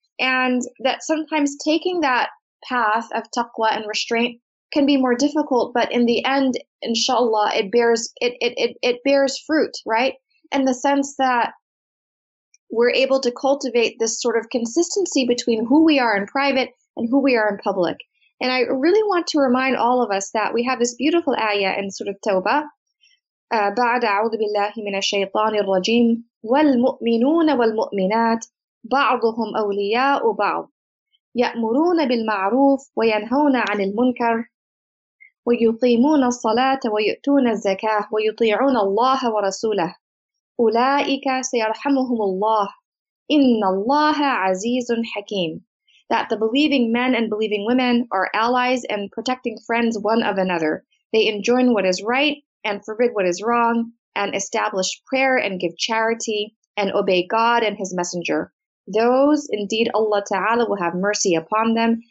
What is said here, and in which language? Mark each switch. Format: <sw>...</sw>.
<en>And that sometimes taking that path of taqwa and restraint can be more difficult, but in the end, inshallah, it bears fruit, right? In the sense that we're able to cultivate this sort of consistency between who we are in private and who we are in public. And I really want to remind all of us that we have this beautiful ayah in Surah Tawbah,</en> <ar>بعد أعوذ بالله من الشيطان الرجيم والمؤمنون والمؤمنات بعضهم أولياء بعض يأمرون بالمعروف وينهون عن المنكر ويقيمون الصلاة ويؤتون الزكاة ويطيعون الله ورسوله أولئك سيرحمهم الله إن الله عزيز حكيم.</ar> <en>That the believing men and believing women are allies and protecting friends one of another. They enjoin what is right and forbid what is wrong, and establish prayer and give charity, and obey God and His Messenger. Those, indeed, Allah Ta'ala will have mercy upon them.</en>